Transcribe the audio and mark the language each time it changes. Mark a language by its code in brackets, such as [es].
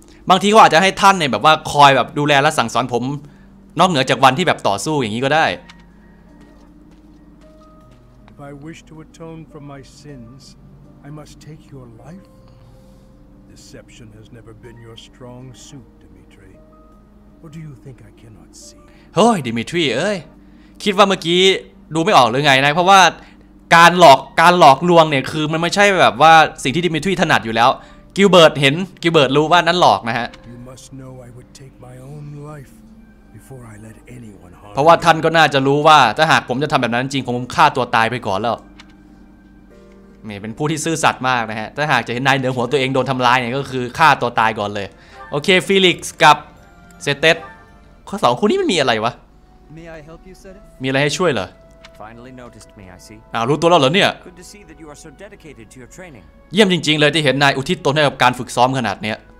[th] บางทีก็อาจจะให้ท่านเนี่ยแบบว่าคอยแบบดูแลและสั่งสอนผมนอกเหนือจากวันที่แบบต่อสู้อย่างนี้ก็ได้ [en] If I wish to atone for my sins, I must take your life. Deception has never been your strong suit, Dimitri. Or do you think I cannot see? [th] เฮ้ยดิมิทรีเอ้ยคิดว่าเมื่อกี้ดูไม่ออกหรือไงนะเพราะว่าการหลอกลวงเนี่ยคือมันไม่ใช่แบบว่าสิ่งที่ดิมิทรีถนัดอยู่แล้วกิลเบิร์ตเห็นกิลเบิร์ตรู้ว่านั้นหลอกนะฮะ [en] You must know I would take my own life before I let anyone harm [th] เพราะว่าท่านก็น่าจะรู้ว่าถ้าหากผมจะทำแบบนั้นจริงผมฆ่าตัวตายไปก่อนแล้วนี่เป็นผู้ที่ซื่อสัตย์มากนะฮะถ้าหากจะเห็นนายเหนือหัวตัวเองโดนทำร้ายเนี่ยก็คือฆ่าตัวตายก่อนเลยโอเคฟีลิกซ์กับเซเตสข้อ2คู่นี้มันมีอะไรวะ [en] May I help you, Seth? [th] มีอะไรให้ช่วยเหรอ [en] Finally noticed me, I see. [th] รู้ตัวแล้วเหรอเนี่ย [en] Good to see that you are so dedicated to your training. [th] เยี่ยมจริงๆเลยที่เห็นนายอุทิศตนให้กับการฝึกซ้อมขนาดเนี้ย